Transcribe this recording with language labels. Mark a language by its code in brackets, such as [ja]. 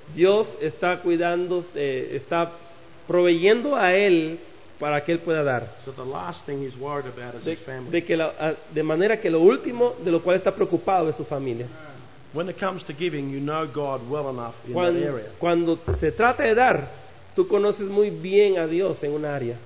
[es] Dios está cuidando, está proveyendo a él para que él pueda dar. [en] So the last thing he's worried about is his family. [es] De manera que lo último de lo cual está preocupado es su familia. [en] When it comes to giving, you know God well enough in that area. [es] Cuando se trata de dar, tú conoces muy bien a Dios en un área.